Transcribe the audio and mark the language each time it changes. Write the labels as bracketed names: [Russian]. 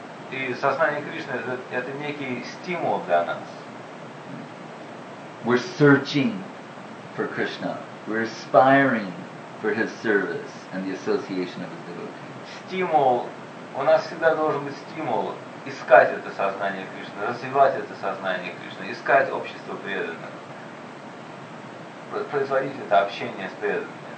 [Russian] и сознание Кришны это некий стимул для нас. [English] We're searching for Krishna. We're aspiring for his service and the association of his devotees. [Russian] Стимул. У нас всегда должен быть стимул искать это сознание Кришны, развивать это сознание Кришны, искать общество преданных, производить это общение с преданными.